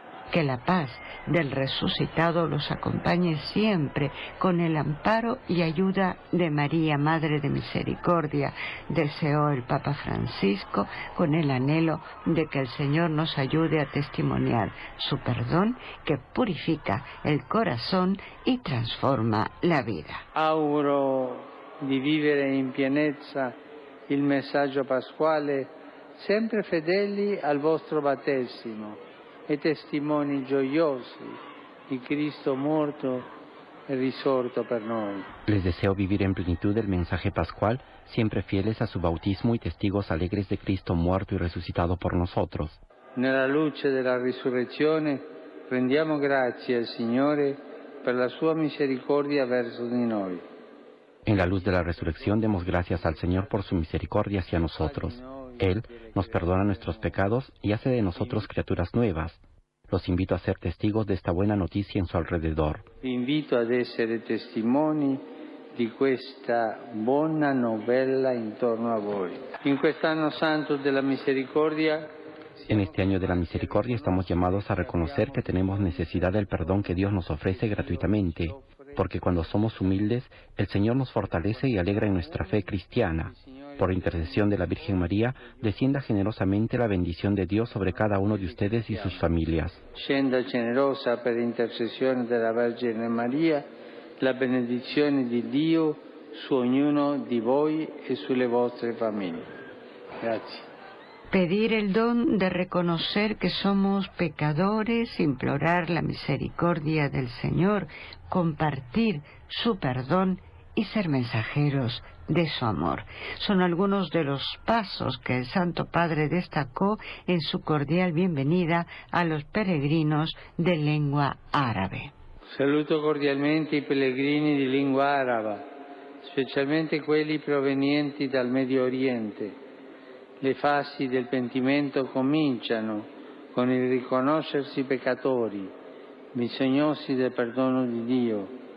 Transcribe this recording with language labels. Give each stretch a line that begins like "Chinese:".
Spanish: Que la paz del resucitado los acompañe siempre con el amparo y ayuda de María, Madre de Misericordia, deseó el Papa Francisco, con el anhelo de que el Señor nos ayude a testimoniar su perdón que purifica el corazón y transforma la vida.
Italian: Auguro di vivere in pienezza il messaggio pasquale, sempre fedeli al vostro battesimo. E testimoni gioiosi di Cristo morto e risorto per noi.
Spanish: Les deseo vivir en plenitud el mensaje pascual, siempre fieles a su bautismo y testigos alegres de Cristo muerto y resucitado por nosotros.
Italian: Nella luce della risurrezione rendiamo grazie al Signore per la sua misericordia verso di noi.
Spanish: En la luz de la resurrección demos gracias al Señor por su misericordia hacia nosotros. Él nos perdona nuestros pecados y hace de nosotros criaturas nuevas. Los invito a ser testigos de esta buena noticia en su alrededor.
Italian: Invito a ser testimoni di questa buona novella intorno a voi. In quest'anno santo della misericordia.
Spanish: En este año de la misericordia estamos llamados a reconocer que tenemos necesidad del perdón que Dios nos ofrece gratuitamente. Porque cuando somos humildes, el Señor nos fortalece y alegra en nuestra fe cristiana. Por intercesión de la Virgen María, descienda generosamente la bendición de Dios sobre cada uno de ustedes y sus familias.
Italian: Scenda generosa per
Spanish: intercesión de la Virgen María, la bendición de Dios
Italian: su ognuno di voi e sulle vostre famiglie. Grazie.
Spanish: Pedir el don de reconocer que somos pecadores, implorar la misericordia del Señor, compartir su perdón y ser mensajeros de su amor. Son algunos de los pasos que el Santo Padre destacó en su cordial bienvenida a los peregrinos de lengua árabe.
Italian: Saluto cordialmente i pellegrini di lingua araba, specialmente quelli provenienti dal Medio Oriente. Le fasi del pentimento cominciano con il riconoscersi peccatori, bisognosi del perdono di Dio.